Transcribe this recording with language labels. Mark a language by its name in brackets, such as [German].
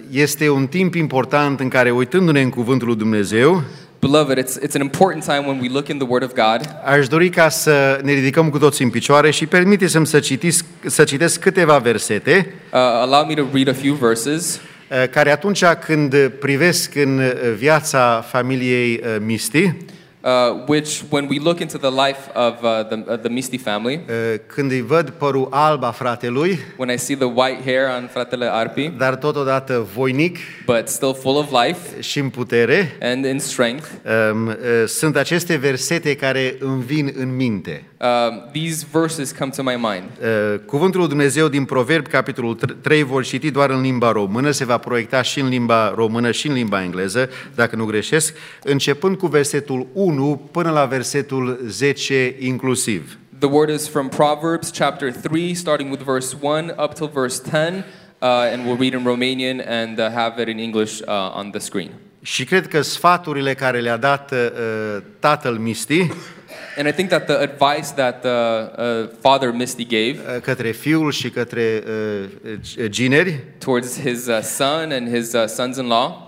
[Romanian] este un timp important în care, uitându-ne în cuvântul lui Dumnezeu, [English] beloved, it's an important time when we look in the Word of God. [Romanian] Aș dori ca să ne ridicăm cu toții în picioare și permiteți-mi să citesc câteva versete. [English] Allow me to read a few verses. [Romanian] Care atunci când privesc în viața familiei Misty, [English] which when we look into the life of the Misty family, [Romanian] când îi văd părul alb a fratelui, [English] when I see the white hair on [Romanian] fratele [English] Arpi, [Romanian] dar totodată voinic, [English] but still full of life, [Romanian] și în putere, [English] and in strength, [Romanian] sunt aceste versete care îmi vin în minte. [English] These verses come to my mind. [Romanian] Cuvântul lui Dumnezeu din Proverbi capitolul 3 vor citi doar în limba română, se va proiecta și în limba română și în limba engleză, dacă nu greșesc, începând cu versetul 1 până la versetul 10 inclusiv. [English] The word is from Proverbs chapter 3, starting with verse 1 up till verse 10, and we'll read in Romanian and have it in English on the screen. [Romanian] Și cred că sfaturile care le-a dat tatăl Misty, [English] and I think that the advice that Father Misty gave, [Romanian] către fiul și către gineri, [English] towards his son and his sons-in-law,